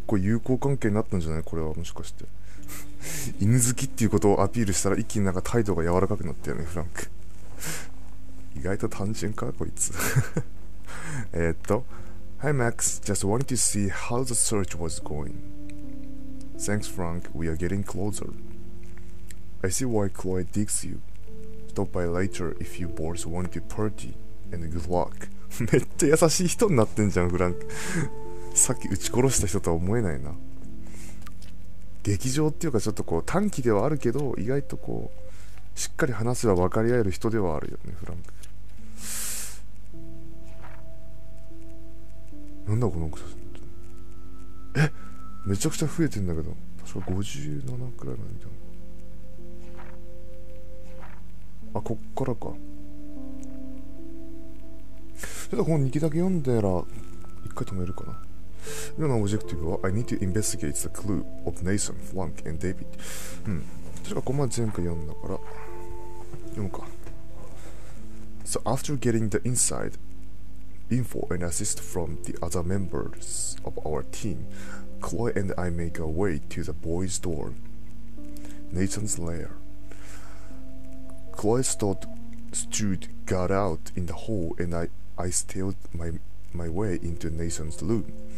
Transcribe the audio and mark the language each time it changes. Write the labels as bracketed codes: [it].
[ja] お、フランクと結構友好関係になったんじゃない？これはもしかして。犬好きっていうことをアピールしたら一気になんか態度が柔らかくなったよね、フランク。意外と単純か、こいつ。 [en] Hi Max, just wanted to see how the search was going. Thanks Frank, we are getting closer. I see why Chloe digs you. Stop by later if you boys want to party, and good luck. [ja] めっちゃ優しい人になってんじゃん、フランク。さっき撃ち殺した人とは思えないな。劇場っていうかちょっとこう短期ではあるけど意外とこうしっかり話せば分かり合える人ではあるよね、フランク。なんだこの奥さん。え、めちゃくちゃ増えてんだけど。確か57くらいまで見たの。あ、こっからか。ちょっとこの2期だけ読んでら、一回止めるかな。今のオブジェクティブは、 [en] I need to investigate the clue of Nathan, Flank, and David. うん。 [ja] 確かここまで前回読んだから、読むか。 [en] So after getting the inside info and assist from the other members of our team, Chloe and I make our way to the boys' dorm, Nathan's lair. Chloe stood guard out in the hall and I stealed my way into Nathan's room.